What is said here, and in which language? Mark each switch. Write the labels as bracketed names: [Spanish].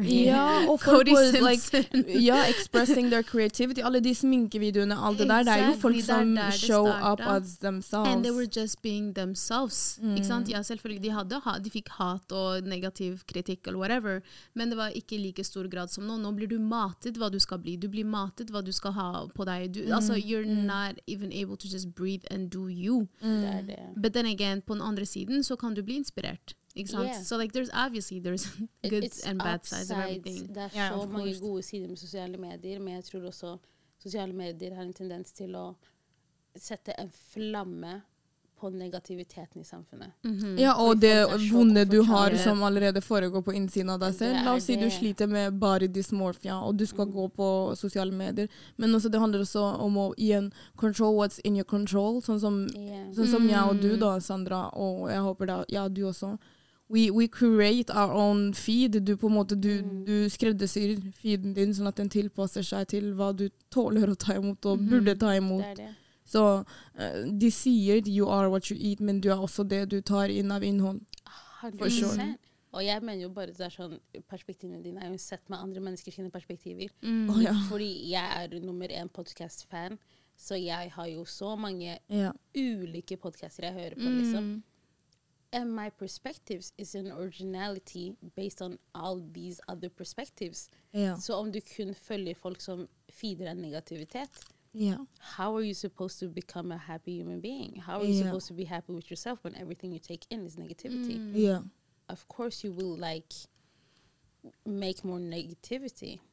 [English] Yeah, og Cody was, Simpson. Like, yeah, expressing their creativity. [Norwegian] Alle de sminkevideoene, alle det der, det er jo folk som [English] show up as themselves. And they were just being themselves. Mm. [Norwegian] Ikke sant? Ja, selvfølgelig, de hadde, de fikk hat og negativ kritikk eller whatever, men det var ikke like stor grad som nå. Nå blir du matet hva du skal bli. Du blir matet hva du skal ha på deg. Du, altså, [English] you're not even able to just breathe and do you. [Norwegian] Det. [English] But then again, [Norwegian] på den andre siden, så kan du bli inspirert. [English] Exactly. Yeah. So like there's obviously there's good it's and bad sides of everything. [Swedish] Det är så många goda sidor med sociala medier, men jag tror också sociala medier har en tendens till att sätta en flamme på negativiteten i samhället. Ja, och det vonde du har som allerede föregår på insidan av dig själv. Låt oss säga du sliter med body dysmorphia och du ska gå på sociala medier, men också det handlar också om att igen [English] control what's in your control, [Swedish] sån som sån som jag och du då Sandra, och jag hoppas att ja du också. [English] We create our own feed. [Norwegian] Du på en måte, du skreddersyr feeden din sånn at den tilpasser seg til hva du tåler å ta imot og burde ta imot. Så de sier [English] you are what you eat, [Norwegian] men du er også det du tar inn av innhold. [English] For sure. [Norwegian] Og jeg mener jo bare det sånn, perspektivene dine er jo sett med andre mennesker sine perspektiver. Fordi jeg er nummer en podcast-fan, så jeg har jo så mange ulike podcaster jeg hører på, liksom. [English] And my perspectives is an originality based on all these other perspectives. Yeah. So [Swedish] om du kun följer folk som feeder en negativitet, [English] yeah. How are you supposed to become a happy human being? How are you supposed to be happy with yourself when everything you take in is negativity? Mm. Yeah. Of course you will like make more negativity.